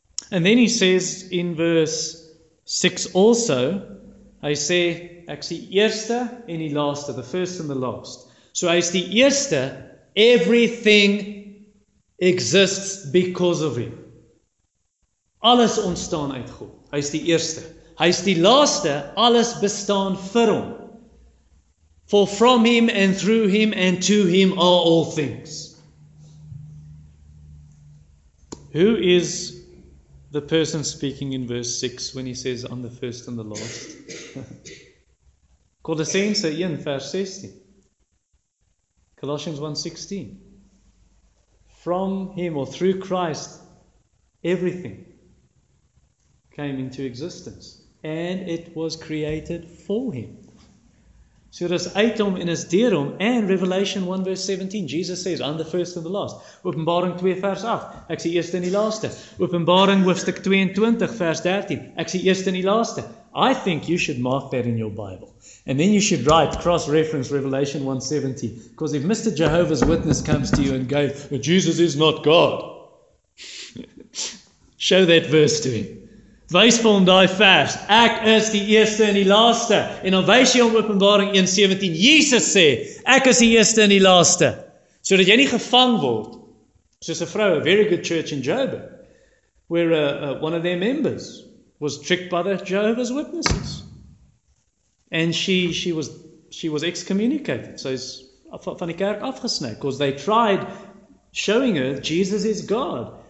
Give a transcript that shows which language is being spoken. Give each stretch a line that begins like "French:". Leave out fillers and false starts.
English: And then he says in verse 6 also, I say,
Afrikaans: ek is die eerste en die laaste,
English: the first and the last.
Afrikaans: So hy is die eerste,
English: everything exists because of him.
Afrikaans: Alles ontstaan uit God. Hy is die eerste. Hy is die laaste, alles bestaan vir hom.
English: For from him and through him and to him are all things. Who is the person speaking in verse 6 when he says, I'm the first and the last. Colossians 1, verse 16. Colossians 1:16. From him or through Christ, everything came into existence. And it was created for him. So it is Atom in his Deerum and Revelation 1 verse 17. Jesus says, I'm the first and the last.
Afrikaans: Openbaring 2 vers 8. Ek is die eerste en die laaste. Openbaring hoofstuk 22 vers 13. Ek is die eerste en die laaste.
English: I think you should mark that in your Bible. And then you should write cross-reference Revelation 1:17. Because if Mr. Jehovah's Witness comes to you and goes, Jesus is not God. Show that verse to him.
Afrikaans: Wees vir hom daai vers. Ek is die eerste en die laaste. En dan wees jy hom Openbaring 1:17. Jesus sê, ek is die eerste en die laaste. So dat jy nie gevang word, soos 'n vrou,
English: a very good church in Joburg, where one of their members was tricked by the Jehovah's Witnesses. And she was excommunicated.
Afrikaans: So is van die kerk afgesny,
English: because they tried showing her Jesus is God.